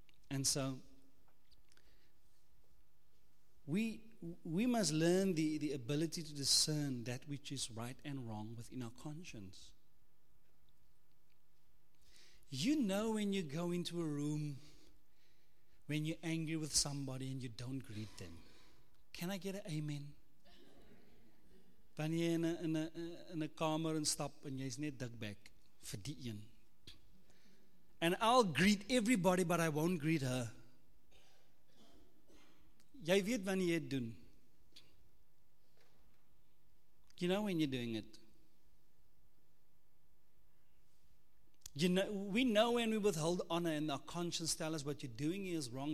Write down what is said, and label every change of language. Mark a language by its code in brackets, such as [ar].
[en] And so, we must learn the ability to discern that which is right and wrong within our conscience. You know when you go into a room, when you're angry with somebody and you don't greet them. Can I get an amen? [af] Dan jy in a kamer en stap en jy's net dik bek vir die een. [en] And I'll greet everybody, but I won't greet her. [af] Jy weet wanneer jy doen. [en] You know when you're doing it. You know, we know when we withhold honor and our conscience tells us what you're doing is wrong.